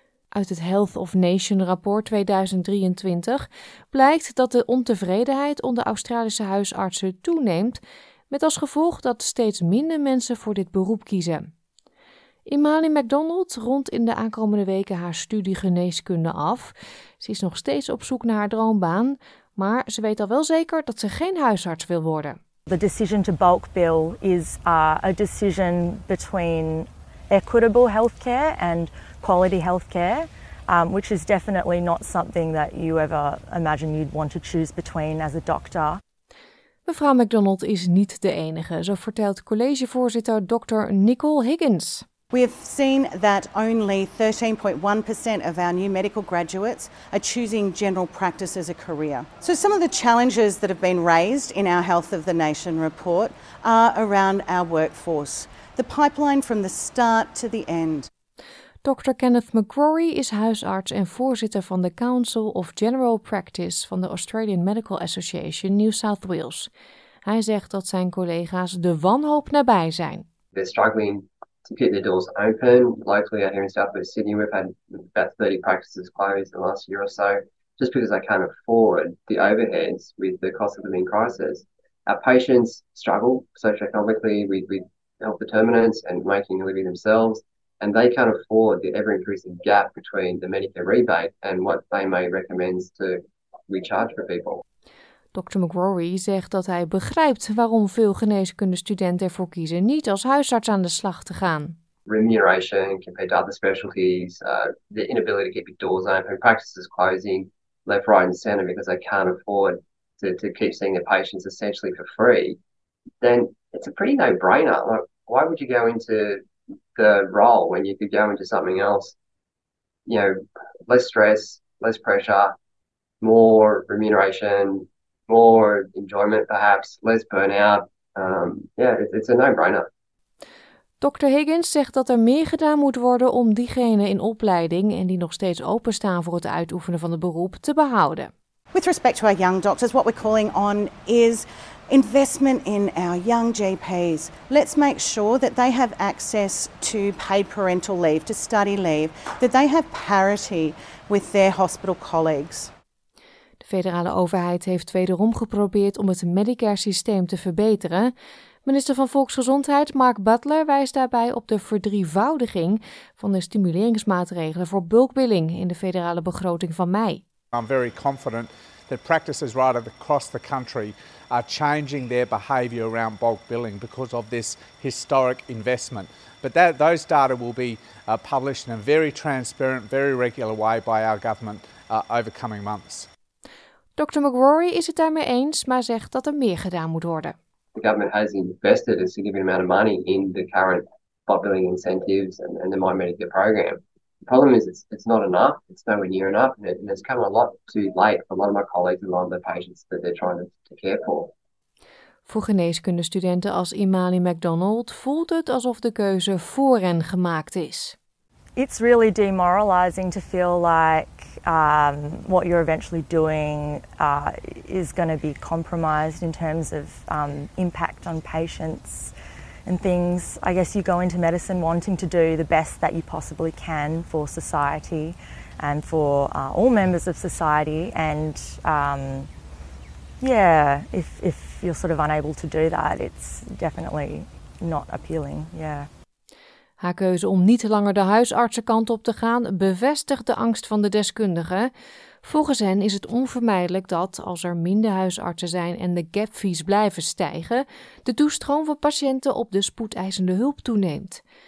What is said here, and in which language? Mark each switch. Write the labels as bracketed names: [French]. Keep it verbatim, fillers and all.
[Dutch] Uit het Health of Nation rapport tweeduizend drieëntwintig blijkt dat de ontevredenheid onder Australische huisartsen toeneemt, met als gevolg dat steeds minder mensen voor dit beroep kiezen. Imali MacDonald rondt in de aankomende weken haar studie geneeskunde af. Ze is nog steeds op zoek naar haar droombaan, maar ze weet al wel zeker dat ze geen huisarts wil worden. [English] The decision to bulk bill is uh, a decision between equitable healthcare and quality healthcare, um, which is definitely not something that you ever imagine you'd want to choose between as a doctor. [Dutch] Mevrouw MacDonald is niet de enige, zo vertelt collegevoorzitter dokter Nicole Higgins. [English] We have seen that only thirteen point one percent of our new medical graduates are choosing general practice as a career. So some of the challenges that have been raised in our Health of the Nation report are around our workforce, the pipeline from the start to the end. [Dutch] dokter Kenneth McCrory is huisarts en voorzitter van de Council of General Practice van de Australian Medical Association New South Wales. Hij zegt dat zijn collega's de wanhoop nabij zijn. [English] They're struggling to keep their doors open. Locally out here in South West Sydney, we've had about thirty practices closed in the last year or so, just because they can't afford the overheads with the cost of living crisis. Our patients struggle socioeconomically with, with health determinants and making a living themselves. And they can't afford the ever-increasing gap between the Medicare rebate and what they may recommend to recharge for people. [Dutch] dokter McCrory zegt dat hij begrijpt waarom veel geneeskundestudenten ervoor kiezen niet als huisarts aan de slag te gaan. [English] Remuneration compared to other specialties, uh, the inability to keep your doors open, practices closing left, right and centre because they can't afford to, to keep seeing their patients essentially for free, then it's a pretty no-brainer. Like, why would you go into the role when you could go into something else, you know, less stress, less pressure, more remuneration, more enjoyment perhaps, less burnout. Um, yeah, it's a no-brainer. [Dutch] dokter Higgins zegt dat er meer gedaan moet worden om diegenen in opleiding en die nog steeds openstaan voor het uitoefenen van het beroep te behouden. [English] With respect to our young doctors, what we're calling on is investment in our young G Ps. Let's make sure that they have access to paid parental leave, to study leave, that they have parity with their hospital colleagues. [Dutch] De federale overheid heeft wederom geprobeerd om het Medicare-systeem te verbeteren. Minister van Volksgezondheid Mark Butler wijst daarbij op de verdrievoudiging van de stimuleringsmaatregelen voor bulkbilling in de federale begroting van mei. [English] I'm very confident that practices right across the country are changing their behaviour around bulk billing because of this historic investment. But that, those data will be uh, published in a very transparent, very regular way by our government uh, over coming months. [Dutch] Doctor McGrory is het daarmee eens, maar zegt dat er meer gedaan moet worden. [English] The government has invested a significant amount of money in the current bulk billing incentives and, and the My Medicare program. The problem is it's, it's not enough, it's nowhere near enough, and, it, and it's come a lot too late for a lot of my colleagues and a lot of the patients that they're trying to, to care for. [Dutch] Voor geneeskundestudenten als Imani MacDonald voelt het alsof de keuze voor hen gemaakt is. [English] It's really demoralizing to feel like um, what you're eventually doing uh, is going to be compromised in terms of um, impact on patients and things. I guess you go into medicine wanting to do the best that you possibly can for society and for uh, all members of society, and um, yeah, if, if you're sort of unable to do that, it's definitely not appealing, yeah. [Dutch] Haar keuze om niet langer de huisartsenkant op te gaan bevestigt de angst van de deskundigen. Volgens hen is het onvermijdelijk dat, als er minder huisartsen zijn en de gapfees blijven stijgen, de toestroom van patiënten op de spoedeisende hulp toeneemt.